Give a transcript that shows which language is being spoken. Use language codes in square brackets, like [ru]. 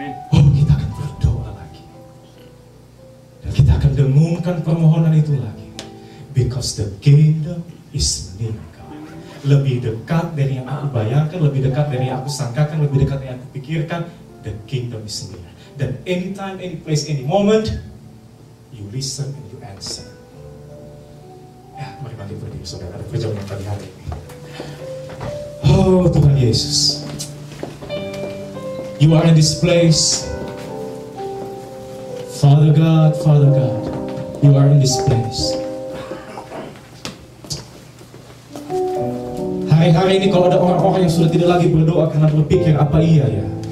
[id] Oh, kita akan berdoa lagi. Dan kita akan dengungkan permohonan itu lagi. [en] Because the kingdom is near. [id] Lebih dekat dari yang aku bayangkan, lebih dekat dari yang aku sangkakan, lebih dekat dari yang aku pikirkan, [en] the kingdom is near. Dan anytime, any place, any moment, you listen and you answer. [id] Ya, mari bangkit berdiri, saudara, ada perjalanan pagi hari ini. Oh, Tuhan Yesus, [en] you are in this place. Father God, Father God, you are in this place. [id] Hari ini kalau ada orang-orang yang sudah tidak lagi berdoa karena berpikir, apa iya ya?